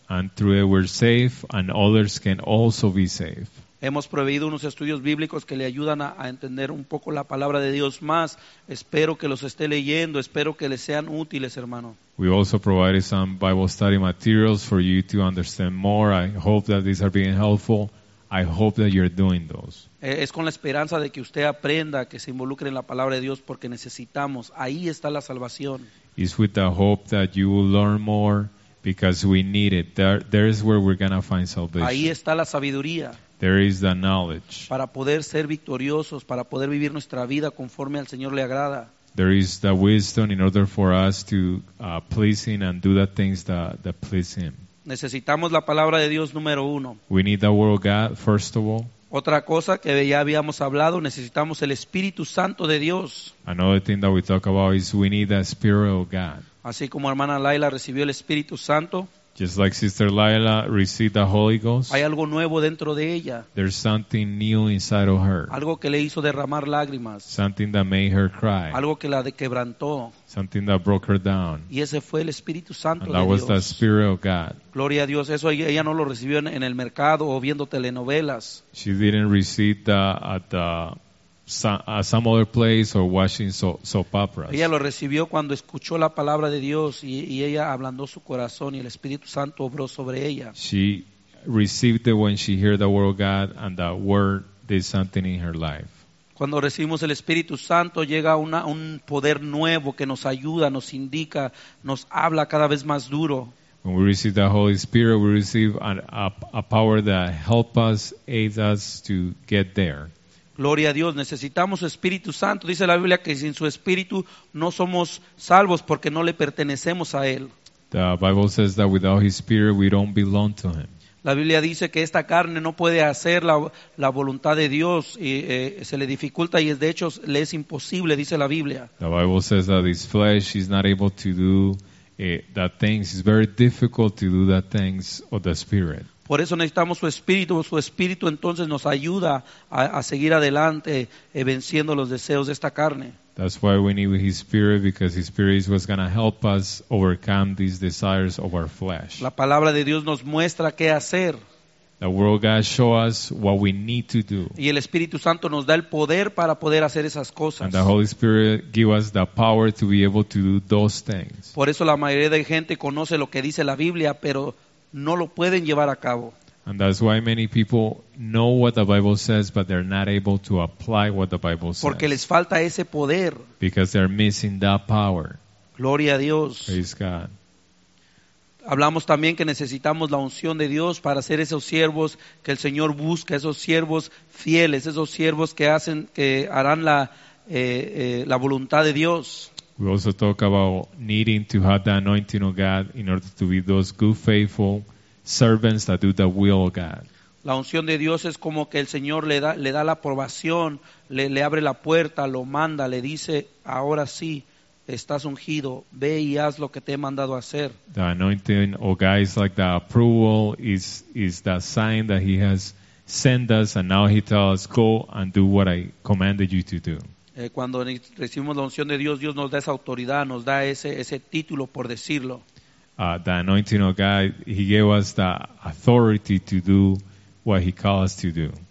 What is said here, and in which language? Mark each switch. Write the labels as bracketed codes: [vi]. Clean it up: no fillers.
[en] And through it we're safe and others can also be safe. [es] Hemos proveído unos estudios bíblicos que le ayudan a entender un poco la palabra de Dios más. Espero que los esté leyendo, espero que les sean útiles, hermano. [en] We also provided some Bible study materials for you to understand more. I hope that these are being helpful. I hope that you're doing those. [es] Es con la esperanza de que usted aprenda, que se involucre en la palabra de Dios porque necesitamos. Ahí está la salvación. [en] It's with the hope that you will learn more because we need it. There is where we're going to find salvation. [es] Ahí está la sabiduría. [en] There is the knowledge. [es] Para poder ser victoriosos, para poder vivir nuestra vida conforme al Señor le agrada. [en] There is the wisdom in order for us to please Him and do the things that please Him. [es] Necesitamos la palabra de Dios número uno. [en] We need the word of God, first of all. [es] Otra cosa que ya habíamos hablado, necesitamos el Espíritu Santo de Dios. [en] Another thing that we talk about is we need the Spirit of God. [es] Así como hermana Laila recibió el Espíritu Santo. [en] Just like Sister Lila received the Holy Ghost. [es] Hay algo nuevo dentro de ella. [en] There's something new inside of her. [es] Algo que le hizo derramar lágrimas. [en] Something that made her cry. [es] Algo que la quebrantó. [en] Something that broke her down. [es] Y ese fue el Espíritu Santo de Dios. [en] And that was the Spirit of God. [es] Gloria a Dios. Eso ella no lo recibió en el mercado o viendo telenovelas. [en] She didn't receive that at the some other place or watching soap operas. [es] Ella lo recibió cuando escuchó la palabra de Dios y ella ablandó su corazón y el Espíritu Santo obró sobre ella. [en] She received it when she heard the word of God and the word did something in her life. [es] Cuando recibimos el Espíritu Santo llega un poder nuevo que nos ayuda, nos indica, nos habla cada vez más duro. [en] When we receive the Holy Spirit, we receive a power that helps us, aids us to get there. [es] Gloria a Dios, necesitamos Espíritu Santo. Dice la Biblia que sin su Espíritu no somos salvos porque no le pertenecemos a Él. [en] The Bible says that without His Spirit we don't belong to Him. [es] La Biblia dice que esta carne no puede hacer la voluntad de Dios y se le dificulta y es de hecho le es imposible, dice la Biblia. [en] The Bible says that this flesh is not able to do that things. It's very difficult to do that things of the Spirit. [es] Por eso necesitamos su Espíritu entonces nos ayuda a seguir adelante venciendo los deseos de esta carne. [en] That's why we need His Spirit, because His Spirit is what's going to help us overcome these desires of our flesh. [es] La palabra de Dios nos muestra qué hacer. [en] The Word of God shows us what we need to do. [es] Y el Espíritu Santo nos da el poder para poder hacer esas cosas. [en] And the Holy Spirit gives us the power to be able to do those things. [es] Por eso la mayoría de gente conoce lo que dice la Biblia, pero no lo pueden llevar a cabo. [en] And that's why many people know what the Bible says, but they're not able to apply what the Bible says. [es] Porque les falta ese poder. [en] Because they're missing that power. [es] Gloria a Dios. [en] Praise God. [es] Hablamos también que necesitamos la unción de Dios para ser esos siervos que el Señor busca, esos siervos fieles, esos siervos que harán la voluntad de Dios. [en] We also talk about needing to have the anointing of God in order to be those good, faithful servants that do the will of God. [es] La unción de Dios es como que el Señor le da la aprobación, le abre la puerta, lo manda, le dice, ahora sí, estás ungido, ve y haz lo que te he mandado hacer. [en] The anointing of God is like the approval, is the sign that He has sent us, and now He tells us, go and do what I commanded you to do. [es] Cuando recibimos la unción de Dios, Dios nos da esa autoridad, nos da ese título, por decirlo. [en] The anointing of God, He gave us the authority to do what He called us to do.